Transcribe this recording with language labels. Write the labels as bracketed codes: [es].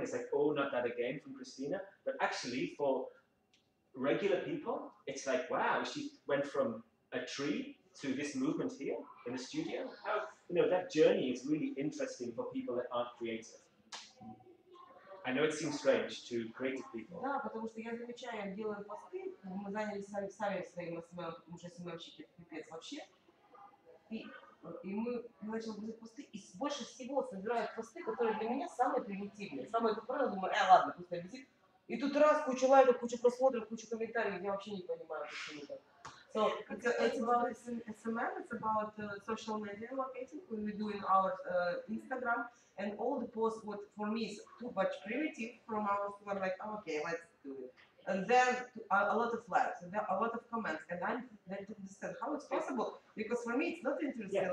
[en] It's like, oh, not that again from Christina. But actually, for regular people, it's like, wow, she went from a tree to this movement here in the studio. How, you know, that journey is really interesting for people that aren't creative. I know it seems strange to creative people. [ru] Да, потому что я замечаю, я делаю посты, мы занялись сами своим СММ, потому что СММщики пипец вообще. И мы начали делать посты, и больше всего собирают посты, которые для меня самые примитивные. Самые тупые, думаю, ладно, пусть я визит. И тут раз, куча лайков, куча просмотров, куча комментариев, я вообще не понимаю, почему так. [en] So, it's about SMM, it's about social media marketing, when we're doing our Instagram, and all the posts, what for me is too much primitive, from our phone, like, oh, okay, let's do it. And then a lot of likes, and a lot of comments, and I then to understand how it's possible, because for me it's not interesting,